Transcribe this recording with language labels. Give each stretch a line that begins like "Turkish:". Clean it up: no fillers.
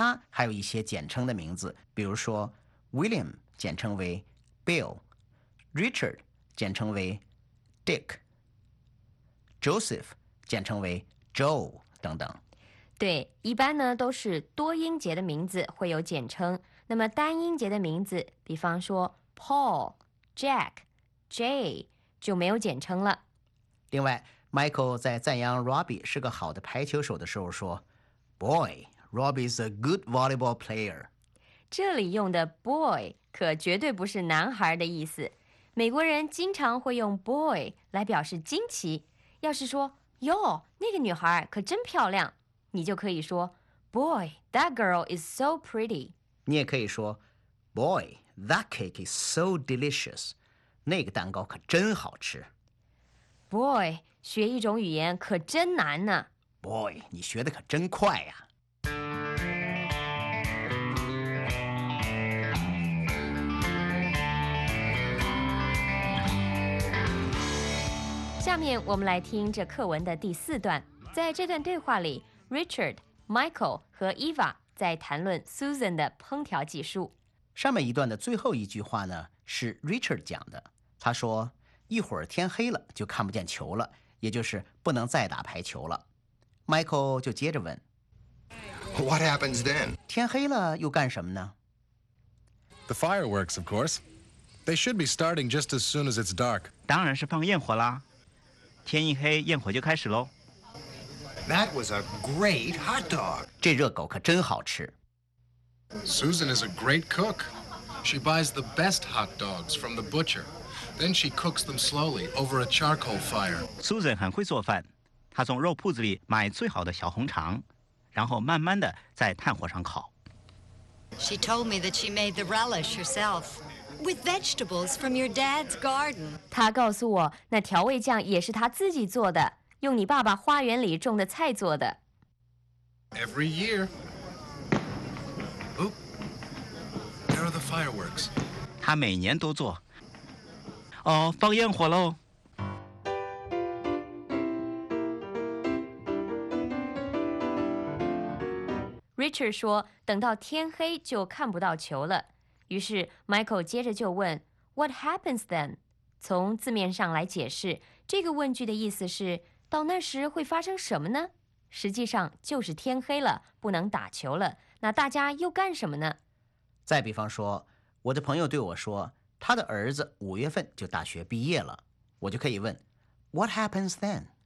Chinese: 那其他还有一些简称的名字，比如说 William 简称为 Bill， Richard 简称为 Dick， Joseph 简称为 Joe 等等。对，一般呢都是多音节的名字会有简称，那么单音节的名字，比方说 Paul、 Jack、 Jay 就没有简称了。另外 Michael 在赞扬 Robbie 是个好的排球手的时候说 Boy。
English: Robbie's a good volleyball player.
Chinese: 这里用的 boy 可绝对不是男孩的意思。美国人经常会用 boy 来表示惊奇。要是说哟， 那个女孩可真漂亮，你就可以说
English: boy, that girl is so pretty.
Chinese: 你也可以说
English: boy, that cake is so delicious.
Chinese: 那个蛋糕可真好吃。boy, 学一种语言可真难呢。boy, 你学的可真快呀。下面我们来听这课文的第四段。在这段对话里， Richard, Michael 和 Eva 在谈论 Susan 的烹调技术。上面一段的最后一句话呢是 Richard 讲的，他说一会儿天黑了就看不见球了，也就是不能再打排球了。Michael 就接着问，
English: What happens then?
Chinese: 天黑了又干什么呢？
English: The fireworks, of course. They should be starting just as soon as it's dark.
Chinese: 当然是放焰火啦。天一黑，焰火就开始喽。
English: That was a great hot dog.
Chinese: 这热狗可真好吃。Susan
English: is a great cook. She buys the best hot dogs from the butcher. Then she cooks them slowly over a charcoal fire.
Chinese: Susan 很会做饭，她从肉铺子里买最好的小红肠，然后慢慢的在炭火上烤。She
English: told me that she made the relish herself. With vegetables from your dad's garden.
Chinese: 他告诉我，那调味酱也是他自己做的，用你爸爸花园里种的菜做的。Every
English: year. Oop. There are the fireworks.
Chinese: 他每年都做。哦，放焰火喽。 Richard 说，等到天黑就看不到球了。于是Michael接着就问
English: What happens then?
Chinese: 从字面上来解释，这个问句的意思是到那时会发生什么呢？实际上就是天黑了，不能打球了，那大家又干什么呢？再比方说，我的朋友对我说，他的儿子五月份就大学毕业了，我就可以问
English: What happens then?